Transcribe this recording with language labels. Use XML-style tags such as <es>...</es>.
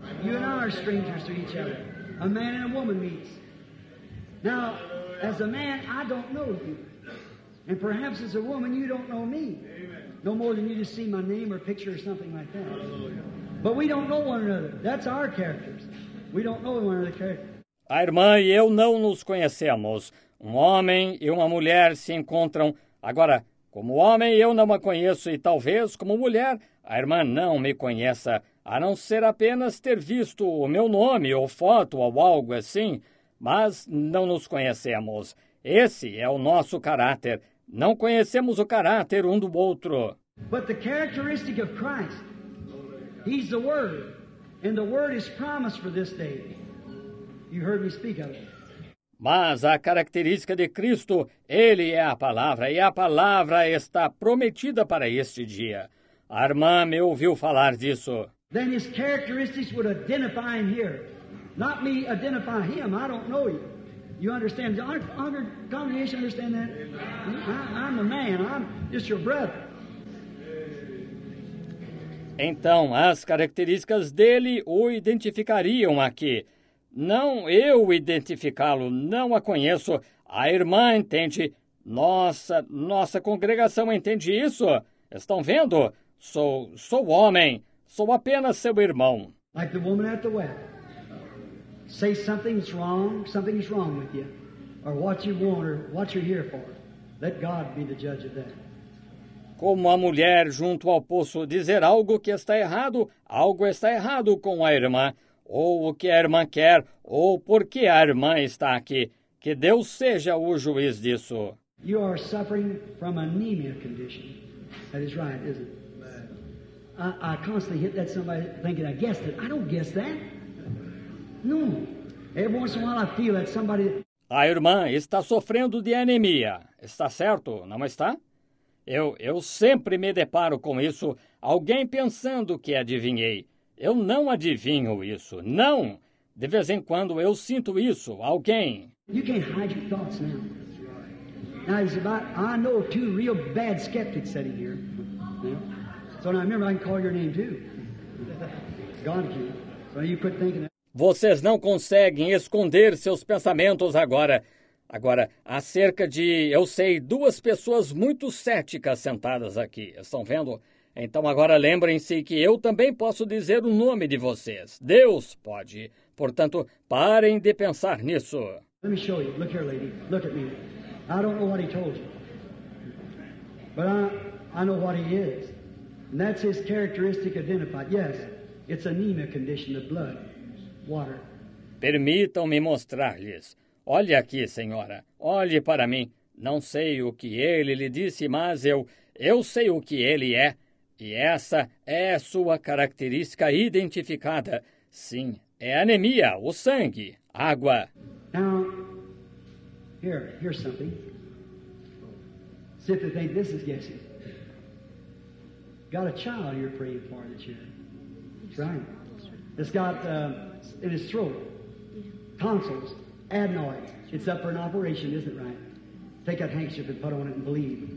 <en>You and I are strangers to each other. A man and a woman meets. Now, as a man, I don't know you. And perhaps as a woman, you don't know me. No more than you just see my name or picture or something like that. But we don't know one another. That's our characters. We don't know one another's characters.</en> <pt>A irmã e eu não nos conhecemos. Um homem e uma mulher se encontram. Agora, como homem, eu não a conheço. E talvez, como mulher, a irmã não me conheça. A não ser apenas ter visto o meu nome ou foto ou algo assim. Mas não nos conhecemos. Esse é o nosso caráter. Não conhecemos o caráter um do outro.</pt> <en>But the characteristic of Christ, he's the Word, and the Word is promised for this day. You heard me speak of it.</en> <pt>Mas a característica de Cristo, ele é a palavra, e a palavra está prometida para este dia. A irmã me ouviu falar disso.</pt> <en>Then his characteristics would identify him here. Not me identify him, I don't know him. You understand? Our congregation understand that? I'm the man. I'm just your brother.</en> <pt>Então, as características dele o identificariam aqui. Não eu identificá-lo, não a conheço. A irmã entende. Nossa congregação entende isso. Estão vendo? Sou homem. Sou apenas seu irmão.</pt> <en>Like the woman at the well. Say something's wrong with you. Or what you want or what you're here for. Let God be the judge of that.</en> <pt>Como a mulher junto ao poço dizer algo que está errado, algo está errado com a irmã. Ou o que a irmã quer, ou por que a irmã está aqui. Que Deus seja o juiz disso.</pt> <en>You are suffering from anemia condition. That is right, isn't it? I constantly hit that somebody thinking I guessed it. I don't guess that. No. Every once in a while I feel that somebody...</en> <pt>A irmã está sofrendo de anemia. Está certo, não está? Eu sempre me deparo com isso, alguém pensando que adivinhei. Eu não adivinho isso, não. De vez em quando eu sinto isso, alguém.</pt> <en>You can't hide your thoughts now. Now it's about, I know two real bad skeptics sitting here. So now remember, I can call your name too. God can. So you quit thinking that.</en> <pt>Vocês não conseguem esconder seus pensamentos agora. Agora, há cerca de, eu sei, duas pessoas muito céticas sentadas aqui. Estão vendo? Então agora lembrem-se que eu também posso dizer o nome de vocês. Deus pode. Portanto, parem de pensar nisso.</pt> <en>Let me show you. Look here, lady. Look at me. I don't know what he told you. But I know what he is. And that's his characteristic identified. Yes, it's anemia condition of blood. Water.</en> <pt>Permitam-me mostrar-lhes. Olhe aqui, senhora. Olhe para mim. Não sei o que ele lhe disse, mas eu sei o que ele é. E essa é sua característica identificada. Sim, é anemia, o sangue, água.</pt> <en>Now, here's something. See if they think this is guessing. Got a child you're praying for in the chair. That's right. It's got in his throat. Tonsils. Adenoids. It's up for an operation, isn't it right? Take that handkerchief and put on it and believe.</en>